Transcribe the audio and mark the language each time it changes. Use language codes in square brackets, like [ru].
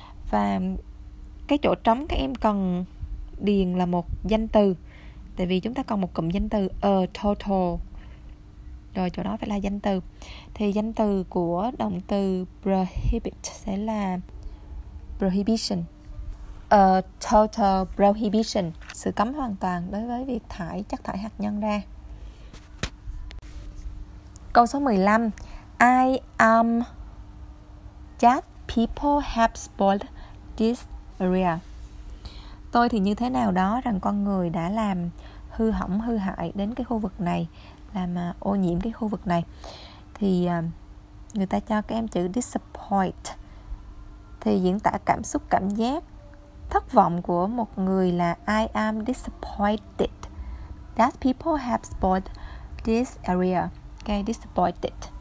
[vi] Và cái chỗ trống các em cần điền là một danh từ, tại vì chúng ta còn một cụm danh từ a total, rồi chỗ đó phải là danh từ. Thì danh từ của động từ prohibit sẽ là prohibition, a total prohibition, sự cấm hoàn toàn đối với việc thải chất thải hạt nhân ra. Câu số 15, [en] I am that people have spoiled this area. [vi] Tôi thì như thế nào đó, rằng con người đã làm hư hỏng, hư hại đến cái khu vực này, làm ô nhiễm cái khu vực này. Thì người ta cho các em chữ disappoint, thì diễn tả cảm xúc, cảm giác thất vọng của một người là [en] I am disappointed that people have spoiled this area. [vi] Okay, disappointed.